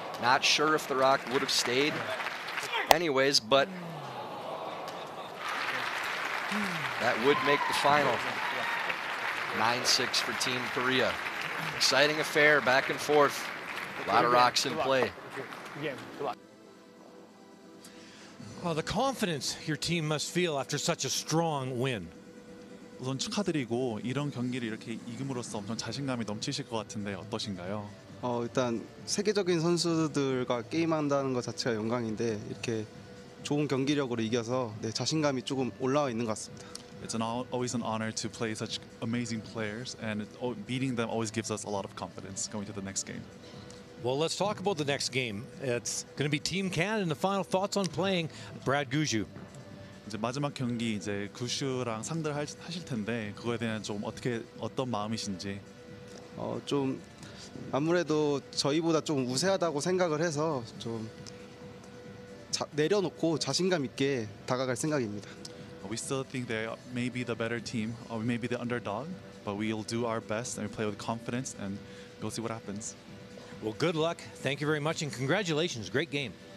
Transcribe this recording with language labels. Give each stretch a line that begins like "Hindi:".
English: Not sure if the rock would have stayed anyways, but that would make the final. 9-6 for Team Korea. Exciting affair, back and forth. A lot of rocks in play. Well, the confidence your team must feel after such a strong win.
Korean: 우선 축하드리고 이런 경기를 이렇게 이김으로써 엄청 자신감이 넘치실 것 같은데 어떠신가요? 일단 세계적인 선수들과 게임한다는 것 자체가 영광인데 이렇게 좋은 경기력으로 이겨서 네, 자신감이 조금 올라와 있는 것 같습니다.
English: It's always an honor to play such amazing players, and beating them always gives us a lot of confidence going to the next game. Well, let's talk about the next game. It's going to be Team Canada. And the final thoughts on playing Brad Guju.
Korean: 이제 마지막 경기 이제 구슈랑 상대를 하실 텐데 그거에 대한 좀 어떻게 어떤 마음이신지. 좀 아무래도 저희보다 좀 우세하다고 생각을 해서 좀 내려놓고 자신감 있게 다가갈 생각입니다.
English: We still think they may be the better team, or we may be the underdog, but we'll do our best and play with confidence, and we'll see what happens. Well, good luck. Thank you very much, and congratulations. Great game.